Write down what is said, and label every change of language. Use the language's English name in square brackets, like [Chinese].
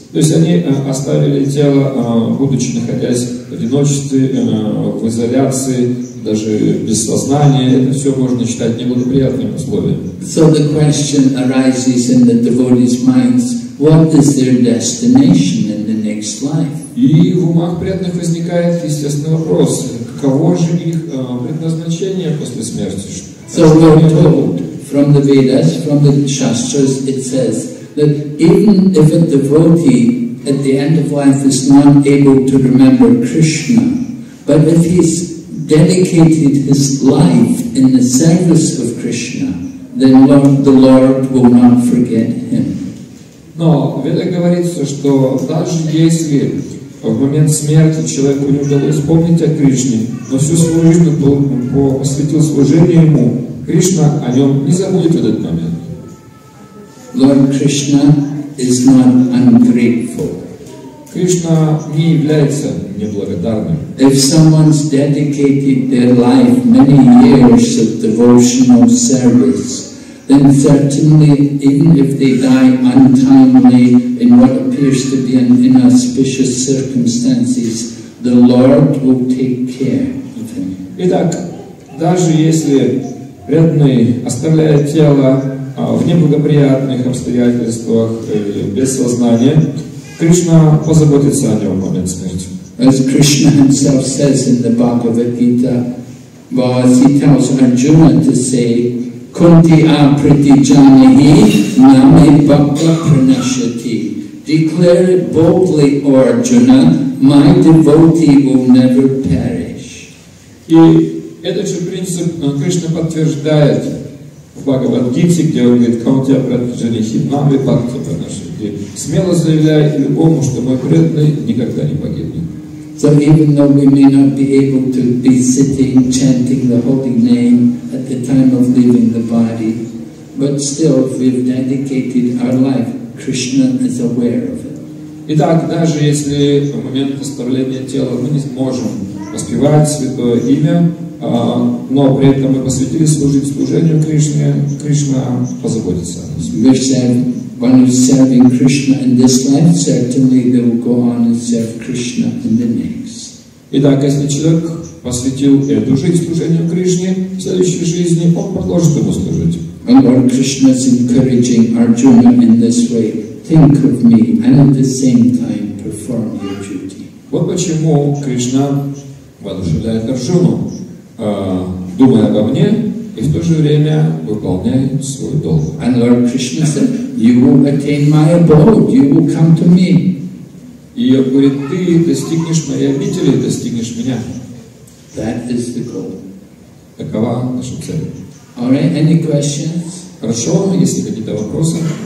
[Russian] То есть они оставили тело, будучи находясь в одиночестве, в изоляции, даже без сознания. Это все можно считать неблагоприятными условиями. [English] So the question arises in the devotees' minds: what is their destination in the next life? [Russian] И в умах преданных возникает естественный вопрос: каково же их предназначение после смерти? [English] So we're told from the Vedas, from the Shastras, it says that even if a devotee at the end of life is not able to remember Krishna, but if he's dedicated his life in the service of Krishna, then the Lord will not forget him. [Russian] Но Веда говорится, что даже если в момент смерти человеку не удалось вспомнить о Кришне, но всю свою жизнь посвятил служению ему, Кришна о нем не забудет в этот момент. [English] Lord Krishna is not ungrateful. [Russian] Кришна не является неблагодарным. [English] If someone's dedicated their life, many years of devotional service, then certainly, even if they die untimely in what appears to be an inauspicious circumstances, the Lord will take care of him. [Russian] Итак, даже если преданный оставляет тело в неблагоприятных обстоятельствах, без сознания, Кришна позаботится о нем в момент смерти. [English] As Krishna himself says in the Bhagavad Gita, well, as he tells Arjuna to say, [Sanskrit] Kunti apriti janahi name bhakta pranashati. [English] Declare it boldly, O Arjuna, my devotee will never perish. [Russian] И этот же принцип Кришна подтверждает в Бхагавад-гите, где он говорит, [Sanskrit] Каунтия Пратиджанихи, Нами Бхакти Пранашити, [Russian] смело заявляя любому, что мой преданный никогда не погибнет. [English] So even though we may not be able to be sitting, chanting the holy name at the time of leaving the body, but still, if we've dedicated our life, Krishna is aware of it. [Russian] Итак, даже если в момент оставления тела мы не сможем воспевать Святое Имя, но при этом мы посвятили служить служению Кришне, Кришна позаботится о нас. [English] We said, one who is serving Krishna in this life, certainly they will go on and serve Krishna in the next. [Russian] Итак, если человек посвятил эту жизнь служению Кришне, в следующей жизни он продолжит ему служить. [English] And Lord Krishna is encouraging Arjuna in this way, think of me and at the same time perform your duty. [Russian] Вот почему Кришна воодушевляет Арджуну, думая обо мне и в то же время выполняя свой долг. [English] And Lord Krishna said, you will attain my abode, you will come to me. [Russian] И он говорит, ты достигнешь моей обители, достигнешь меня. [English] That is the goal. [Russian] Такова наша цель. [English] All right, any questions? [Russian] Хорошо, если какие-то вопросы.